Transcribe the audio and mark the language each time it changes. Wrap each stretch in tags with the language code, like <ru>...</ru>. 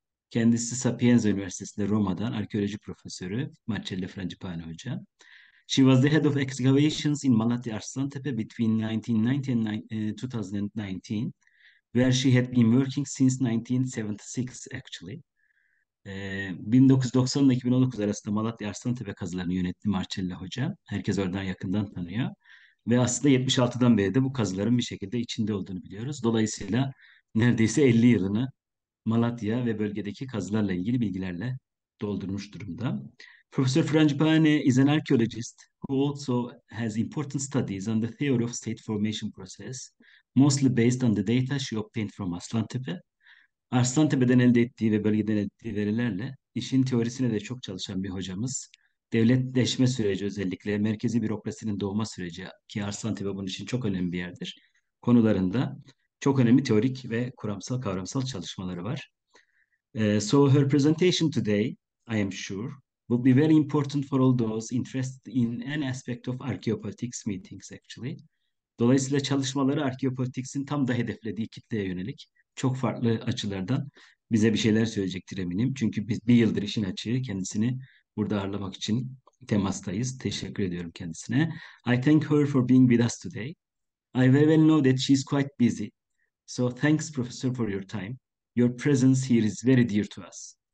<tr>Kendisi Sapienza Üniversitesi'nde Roma'dan arkeoloji profesörü Marcella Frangipane Hoca.</tr> <en>She was the head of excavations in Malatya Arslantepe between 1990 and 2019, where she had been working since 1976 actually.</en> <tr>1990 ile 2019 arasında Malatya Arslantepe kazılarını yönetti Marcella Hoca. Herkes oradan yakından tanıyor. Ve aslında 76'dan beri de bu kazıların bir şekilde içinde olduğunu biliyoruz. Dolayısıyla neredeyse 50 yılını Malatya ve bölgedeki kazılarla ilgili bilgilerle doldurmuş durumda.</tr> <en>Professor Frangipane is an archaeologist who also has important studies on the theory of state formation process, mostly based on the data she obtained from Arslantepe.</en> <tr>Arslantepe'den elde ettiği ve bölgeden elde ettiği verilerle işin teorisine de çok çalışan bir hocamız. Devletleşme süreci özellikle merkezi bürokrasinin doğma süreci ki Arslantepe bunun için çok önemli bir yerdir. Konularında çok önemli teorik ve kuramsal kavramsal çalışmaları var.</tr> <en>So her presentation today, I am sure, will be very important for all those interested in an aspect of archaeopolitics meetings actually.</en> <tr>Dolayısıyla çalışmaları archaeopolitics'in tam da hedeflediği kitleye yönelik çok farklı açılardan bize bir şeyler söyleyecektir eminim. Çünkü biz bir yıldır işin açığı kendisini burada ağırlamak için temastayız. Teşekkür ediyorum kendisine.</tr> <en>I thank her for being with us today. I very well know that she's quite busy. So thanks, Professor, for your time. Your presence here is very dear to us.</en>